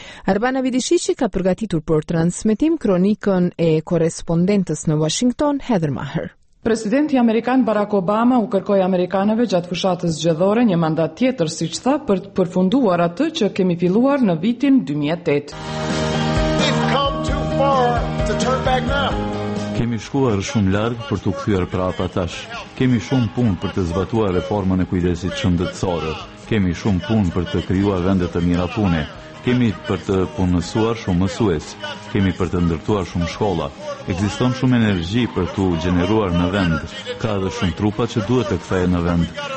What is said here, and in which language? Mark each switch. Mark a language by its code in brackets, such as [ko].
[sq] Arbana Vidishiqi ka përgatitur për transmetim kronikën e korespondentës në Washington, Heather Maher. Presidenti Amerikan Barack Obama u kërkoi Amerikanëve gjatë fushatës zgjedhore një mandat tjetër, si që tha, për të përfunduar atë që kemi filluar në vitin 2008. [en] We've come too far to turn back now. [sq] Kemi shkuar shumë larg për të kthyer prapa tash. Kemi shumë punë për të zbatuar reformën e kujdesit shëndetësore. Kemi shumë punë për të krijuar vende të mira pune. Kemi për të punësuar shumë mësues, kemi për të ndërtuar shumë shkolla, ekziston shumë energji për të gjeneruar në vend, ka edhe shumë trupa që duhet të kthehen në vend.